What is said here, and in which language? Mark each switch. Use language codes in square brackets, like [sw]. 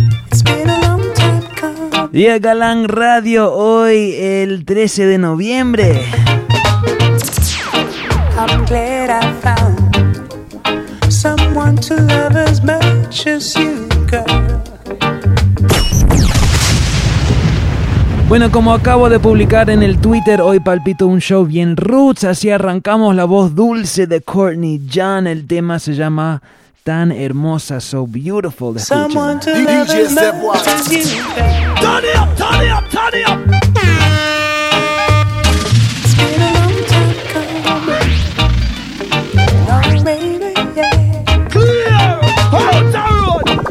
[en] It's been a long time coming. [es] Yeah, Galang Radio, hoy el 13 de noviembre. [en] I'm glad I found someone to love as much as you, girl. [es] Bueno, como acabo de publicar en el Twitter, hoy palpito un show bien roots. Así arrancamos la voz dulce de Courtney John. El tema se llama Tan Hermosa, So Beautiful. [en] De someone to love DJ as much as you. Turn it up, turn it up, turn it up. It's been a long time coming. Long baby, yeah. Clear, hold on.